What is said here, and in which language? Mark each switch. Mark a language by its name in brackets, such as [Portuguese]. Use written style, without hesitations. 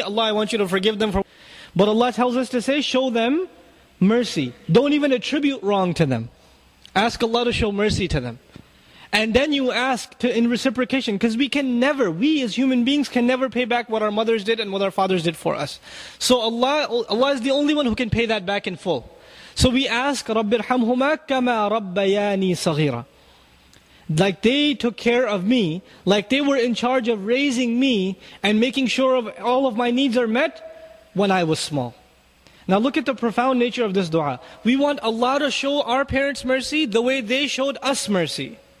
[English] Allah, I want you to forgive them. But Allah tells us to say, show them mercy. Don't even attribute wrong to them. Ask Allah to show mercy to them. And then you ask in reciprocation. Because we as human beings can never pay back what our mothers did and what our fathers did for us. So Allah is the only one who can pay that back in full. [Arabic] So we ask, رَبِّرْحَمْهُمَا كَمَا رَبَّيَانِي صَغِيرًا. [English] Like they took care of me, like they were in charge of raising me and making sure of all of my needs are met when I was small. Now look at the profound nature of this dua. We want Allah to show our parents mercy the way they showed us mercy.